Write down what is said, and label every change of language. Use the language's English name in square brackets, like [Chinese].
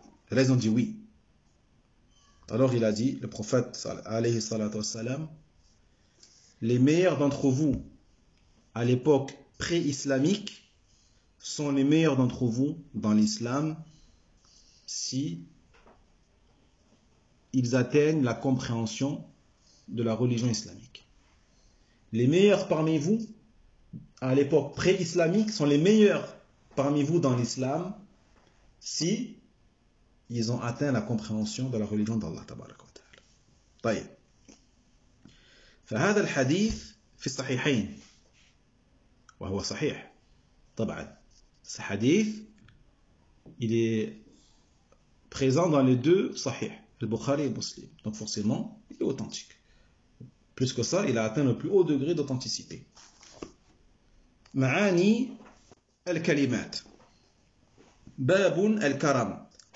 [French] Là, ils ont dit oui. Alors, il a dit, le prophète, alayhi sallallahu alayhi wa sallam, les meilleurs d'entre vous, à l'époque pré-islamique, sont les meilleurs d'entre vous dans l'islam, si ils atteignent la compréhension de la religion islamique. Les meilleurs parmi vous, à l'époque pré-islamique, sont les meilleurs parmi vous dans l'islam, si ils ont atteint la compréhension de la religion d'Allah, tabarak wa ta'ala. Taïb. [Arabic] فهذا الحديث في الصحيحين وهو صحيح طبعا الحديث [French] il est présent dans les deux sahih, le Bukhari et le Muslim. Donc forcément, il est authentique. Plus que ça, il a atteint le plus haut degré d'authenticité. [Arabic] Ma'ani al-kalimat. Babun al-karam.